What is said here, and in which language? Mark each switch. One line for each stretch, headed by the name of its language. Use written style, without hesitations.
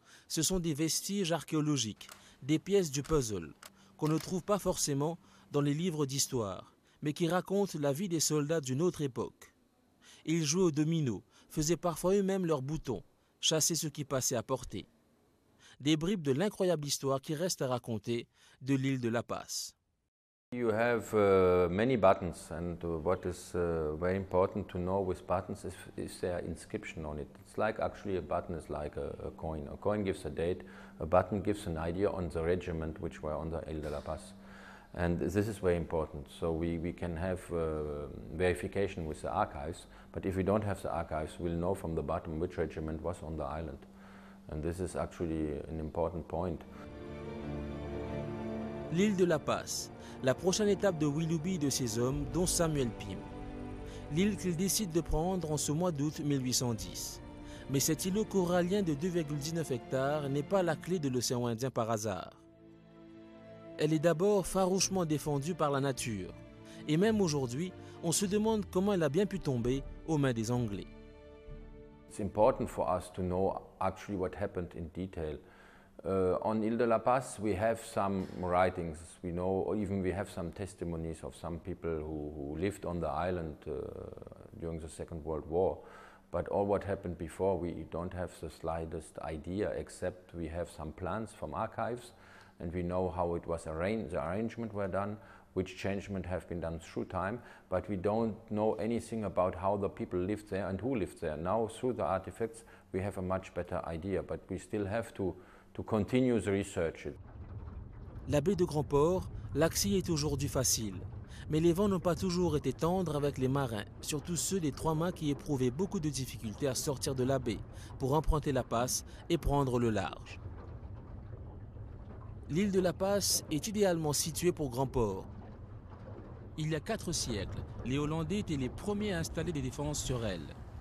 French: Ce sont des vestiges archéologiques, des pièces du puzzle qu'on ne trouve pas forcément dans les livres d'histoire, mais qui racontent la vie des soldats d'une autre époque. Ils jouaient aux dominos, faisaient parfois eux-mêmes leurs boutons, chassaient ce qui passait à portée. Des bribes de l'incroyable histoire qui reste à raconter de l'île de La Passe.
English: You have many buttons, and what is very important to know with buttons is their inscription on it. It's like actually a button is like a coin. A coin gives a date. A button gives an idea on the regiment which were on the Ile de la Passe. And this is very important. So we can have verification with the archives, but if we don't have the archives, we'll know from the button which regiment was on the island. And this is actually an important point.
French: L'Ile de la Passe, la prochaine étape de Willoughby et de ses hommes, dont Samuel Pim. L'île qu'il décide de prendre en ce mois d'août 1810. Mais cet îlot corallien de 2,19 hectares n'est pas la clé de l'océan Indien par hasard. Elle est d'abord farouchement défendue par la nature. Et même aujourd'hui, on se demande comment elle a bien pu tomber aux mains des Anglais. C'est important pour nous de savoir ce qui s'est passé en détail.
English: On Ile de la Passe, we have some writings. We know, or even we have some testimonies of some people who lived on the island during the Second World War. But all what happened before, we don't have the slightest idea, except we have some plans from archives, and we know how it was arranged, the arrangement were done, which changement have been done through time, but we don't know anything about how the people lived there and who lived there. Now, through the artifacts, we have a much better idea, but we still have to continue the research.
French: La baie de Grandport, l'accès est aujourd'hui facile. Mais les vents n'ont pas toujours été tendres avec les marins, surtout ceux des trois mâts qui éprouvaient beaucoup de difficultés à sortir de la baie pour emprunter la passe et prendre le large. L'île de la Passe est idéalement située pour Grandport. Il y a quatre siècles, les Hollandais étaient les premiers à installer des défenses sur elle.